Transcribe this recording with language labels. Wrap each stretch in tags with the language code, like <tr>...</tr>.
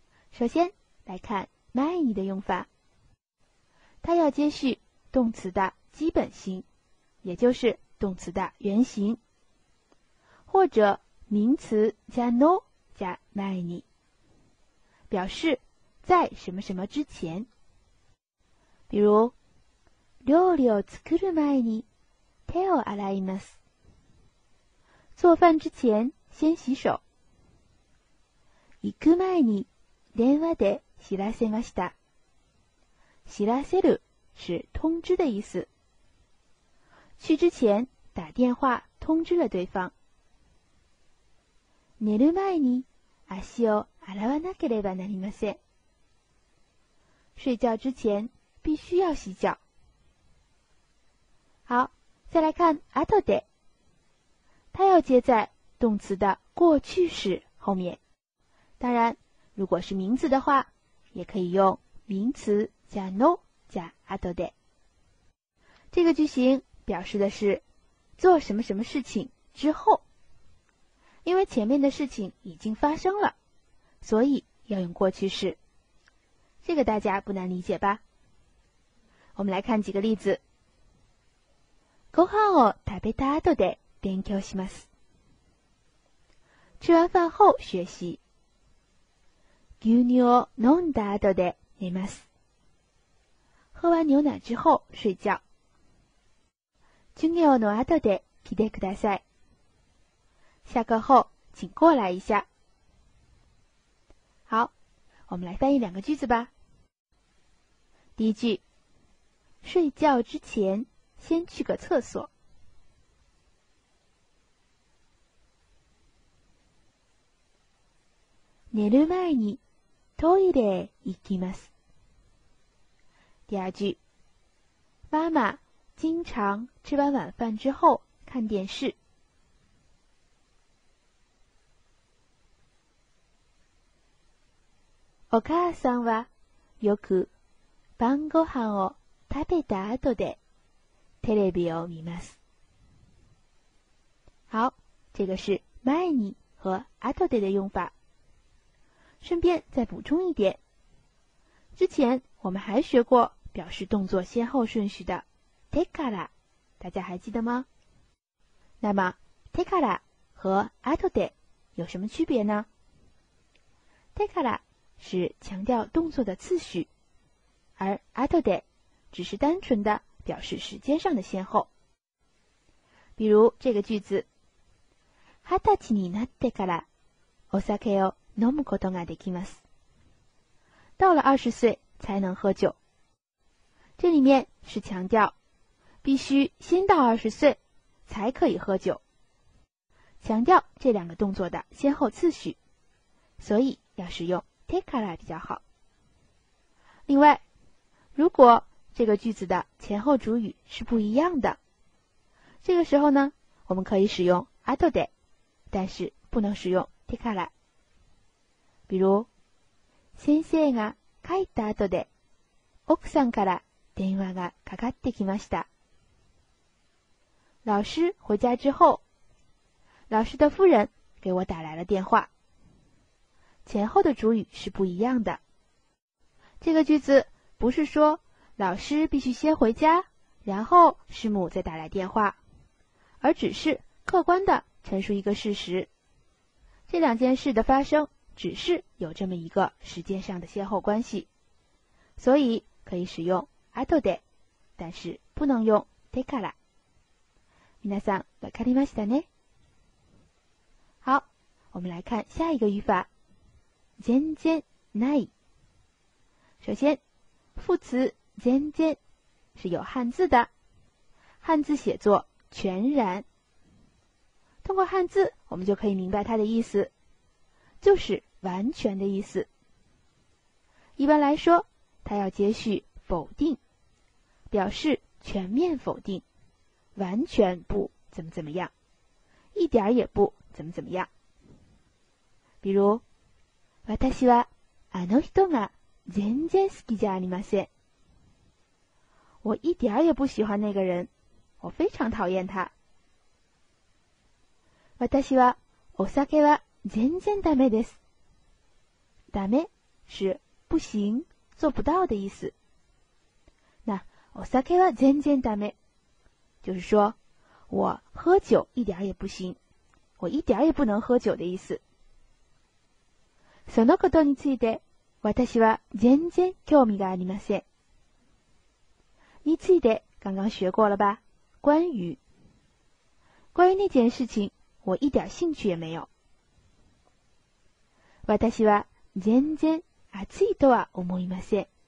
<zh>首先来看前に的用法，它要接续动词的基本形，也就是动词的原型，或者名词加 no 加前に，表示在什么什么之前。比如</zh> <ja>料理を作る前に手を洗います，</ja> <zh>做饭之前先洗手。</zh> <ja>行く前に電話で知らせました。</ja> <zh>知らせる是通知的意思。去之前打电话通知了对方。</zh> <ja>寝る前に足を洗わなければなりません。</ja> <zh>睡觉之前必须要洗脚。好，再来看後で。它要接在动词的过去式后面，当然如果是名词的话也可以用名词加 no 加 後で。这个句型表示的是做什么什么事情之后，因为前面的事情已经发生了，所以要用过去式，这个大家不难理解吧。我们来看几个例子。</zh> <ja>ご飯を食べた後で勉強します，</ja> <zh>吃完饭后学习。</zh> <ja>牛乳を飲んだ後で寝ます，</ja> <zh>喝完牛奶之后睡觉。</zh> <ja>授業の後で来てください，</ja> <zh>下课后请过来一下。好，我们来翻译两个句子吧。第一句，睡觉之前先去个厕所。</zh> <ja>寝る前にトイレへ行きます。</ja> <zh>第二句，妈妈经常吃完晚饭之后看电视。</zh> <ja>お母さんはよく晩ご飯を食べた後でテレビを見ます。</ja> <zh>好，这个是前に和後でで用法。顺便再补充一点，之前我们还学过表示动作先后顺序的 てから，大家还记得吗？那么 てから和 後で有什么区别呢？てから是强调动作的次序，而 後で只是单纯的表示时间上的先后。比如这个句子，</zh> <ja>二十歳になってからお酒を飲むことができます，</ja> <zh>到了二十岁才能喝酒。这里面是强调必须先到二十岁才可以喝酒，强调这两个动作的先后次序，所以要使用てから比较好。另外，如果这个句子的前后主语是不一样的，这个时候呢我们可以使用後で，但是不能使用てから。比如</zh> <ja>先生が帰った後で奥さんから電話がかかってきました，</ja> <zh>老师回家之后老师的夫人给我打来了电话。前后的主语是不一样的，这个句子不是说老师必须先回家然后师母再打来电话，而只是客观的陈述一个事实，这两件事的发生只是有这么一个时间上的先后关系，所以可以使用 後で，但是不能用てから。</zh> <ja>皆さん、わかりましたね？</ja> <zh>好，我们来看下一个语法，</zh> <ja>全然ない。</ja> <zh>首先，副词全然是有汉字的，汉字写作全然。通过汉字，我们就可以明白它的意思，就是完全的意思。一般来说，它要接续否定，表示全面否定，完全不怎么怎么样，一点也不怎么怎么样。比如、</zh> <ja>私はあの人が全然好きじゃありません。</ja> <zh>我一点也不喜欢那个人。我非常讨厌他。</zh> <ja>私はお酒は全然ダメです。</ja> <zh>ダメ是不行、做不到的意思。</zh> <ja>那お酒は全然ダメ。</ja> <zh>就是说、我喝酒一点也不行。我一点也不能喝酒的意思。</zh> <ja>そのことについて、私は全然興味がありません。</ja> <zh>について、刚刚学过了吧。关于。关于那件事情、我一点兴趣也没有。</zh> <ja>私は全然暑いとは思いません。</ja>